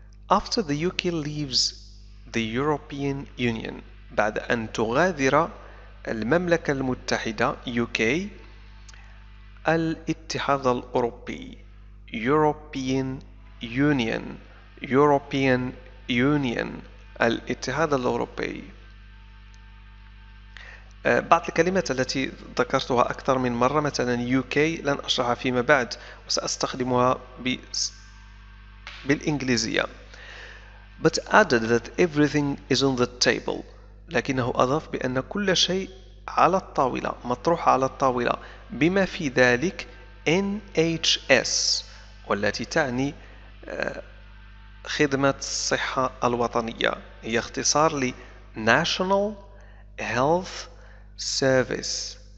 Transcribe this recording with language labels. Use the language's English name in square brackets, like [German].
[English] After the UK leaves the European Union, [Arabic] بعد أن تغادر المملكة المتحدة [English] UK [Arabic] الاتحاد الأوروبي [English] European Union [Arabic] الاتحاد الأوروبي. بعض الكلمات التي ذكرتها أكثر من مرة, مثلا UK لن أشرحها فيما بعد وسأستخدمها بالإنجليزية. [English] But added that everything is on the table. [Arabic] لكنه أضاف بأن كل شيء على الطاولة, مطروح على الطاولة, بما في ذلك NHS والتي تعني خدمة الصحة الوطنية, هي اختصار ل [English] National Health Service.